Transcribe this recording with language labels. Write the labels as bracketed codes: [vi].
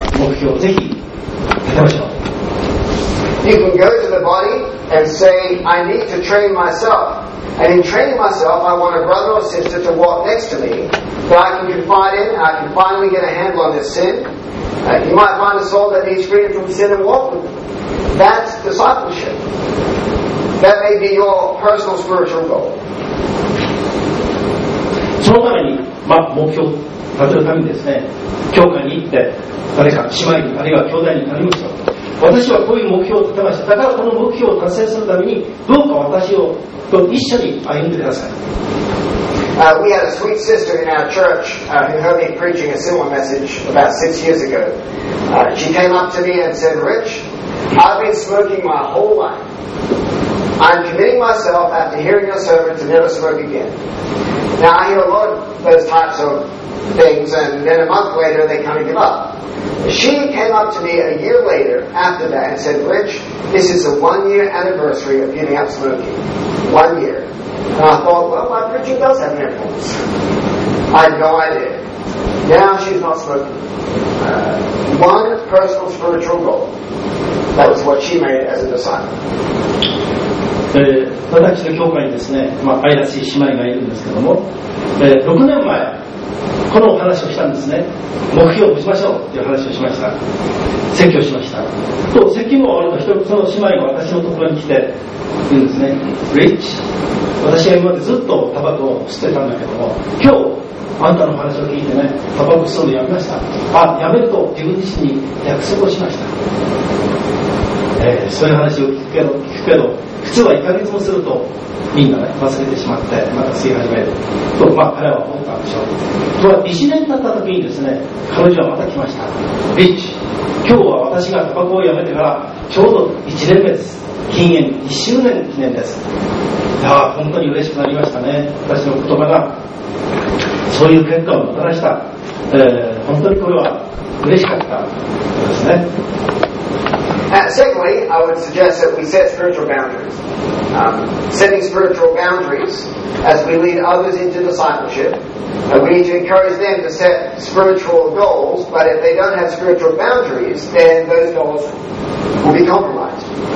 [ja] 目標をぜひ立てましょう。 [en] You can go to the body and say, I need to train myself. And in training myself, I want a brother or sister to walk next to me, that I can confide in, I can finally get a handle on this sin. You might find a soul that needs freedom from sin and walk with them. That's discipleship. That may be your personal spiritual goal. [ja] そのために、まあ、目標を立てるためにですね、教会に行って、誰か姉妹に、あるいは兄弟に頼みますと。私はこういう目標を立てました。だからこの目標を達成するために、どうか私をと一緒に歩んでください。 [en] We had a sweet sister in our church who heard me preaching a similar message about 6 years ago. She came up to me and said, Rich, I've been smoking my whole life. I'm committing myself after hearing your sermon to never smoke again. Now, I hear a lot of those types of things, and then a month later, they kind of give up. She came up to me a year later after that and said, Rich, this is a 1 year anniversary of giving up smoking. 1 year. And I thought, well, my preaching does have an influence. I had no idea. Now she's not smoking. One personal spiritual goal. That was what she made as a disciple. [ja] 私の教会にですね、まあ、愛らしい姉妹がいるんですけども、6年前このお話をしたんですね。目標を持ちましょうという話をしました。説教しましたと、説教も終わると一人その姉妹が私のところに来て言うんですね。リッチ、私が今までずっとタバコを吸ってたんだけども、今日あんたの話を聞いてね、タバコ吸うのやめました。あ、やめると自分自身に約束をしました。そういう話を聞くけど普通は1ヶ月もするとみんな、ね、忘れてしまってまた吸い始めると、まあ、彼は思ったんでしょう。とは1年経った時にですね、彼女はまた来ました。リッチ、今日は私がタバコをやめてからちょうど1年目です。禁煙1周年記念です。いや、本当に嬉しくなりましたね。私の言葉がそういう結果をもたらした、本当にこれは嬉しかったですね。 [en] Secondly, I would suggest that we set spiritual boundaries. Setting spiritual boundaries as we lead others into discipleship, we need to encourage them to set spiritual goals, but if they don't have spiritual boundaries, then those goals will be compromised.